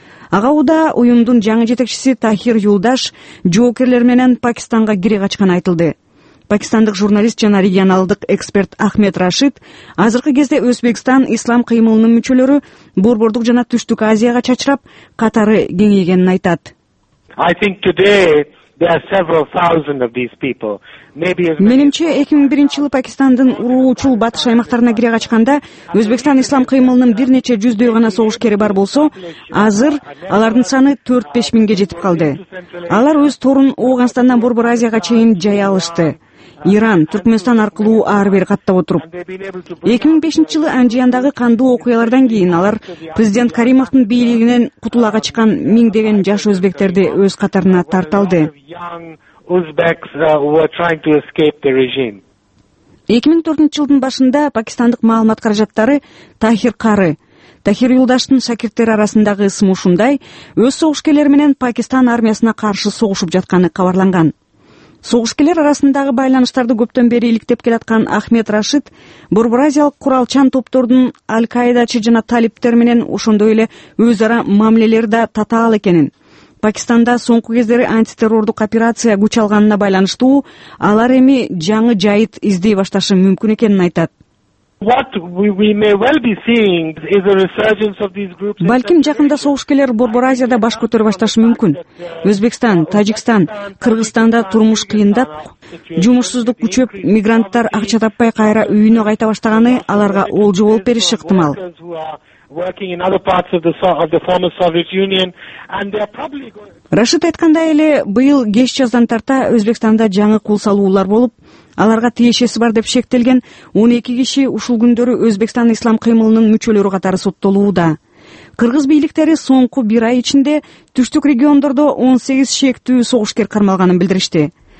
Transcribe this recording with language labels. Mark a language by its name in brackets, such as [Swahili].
[Kyrgyz] Ага ууда уюмдун жаңы жетекчиси Тахир Юлдаш жоокерлер менен Пакистанга кире качканы айтылды. Пакистандык журналист жана регионалдык эксперт Ахмет Рашид азыркы кезде Өзбекстан ислам кыймылынын мүчөлөрү борбордук жана Түштүк Азияга чачырап, катары кеңейгенин айтат. [English] I think today there are several thousand of these people. [Kyrgyz] Менимче 2001 жылы Пакистандын уруучул батыш аймактарына кире качканда Өзбекстан ислам кыймылынын бир нече жүздөй гана согушкери бар болсо, азыр алардын саны 4-5 миңге жетип калды. Алар өз торун Ооганстандан Борбор Азияга чейин жай алышты. Иран, Түркмөнстан аркылуу ар бир каттап отуруп. 2005 жылы Анжияндагы кандуу окуялардан кийин алар президент Каримовдун бийлигинен кутулага чыккан миңдеген жаш өзбектерди өз катарына тарталды. [English] Uzbeks were trying to escape the regime. [Kyrgyz] 2004 жылдын башында пакистандык маалымат каражаттары Тахир Кары, Тахир Юлдаштын шакирттери арасындагы ысым ушундай, өз согушкерлери менен Пакистан армиясына каршы согушуп жатканы кабарланган. Согушкерлер арасындагы байланыштарды көптөн бери иликтеп келаткан Ахмет Рашид Борбор Азиялык куралчан топтордун Аль-Каидачы жана талиптер менен ошондой эле өз ара мамилелери да татаал экенин, Пакистанда соңку кездери антитеррордук операция күч алганына байланыштуу алар эми жаңы жайыт издей башташы мүмкүн экенин айтат. Балким жакында согушкерлер Борбор Азияда баш көтөрө башташы мүмкүн. Өзбекстан, Тажикстан, Кыргызстанда турмуш кыйындап, жумушсуздук күчөп, мигранттар акча таппай кайра үйүнө кайта баштаганы аларга олжо болуп бериши ыктымал. [English] Working in other parts of the former Soviet Union, and they're probably going. [Kyrgyz] Рашид айткандай эле, быйыл кеч жаздан тарта Өзбекстанда жаңы кул салуулар болуп, аларга тиешеси бар деп шектелген 12 киши ушул күндөрү Өзбекстан ислам кыймылынын мүчөлөрү катары соттолууда. Кыргыз бийликтери соңку бир ай ичинде түштүк региондордо 18 шектүү согушкер кармалганын билдиришти.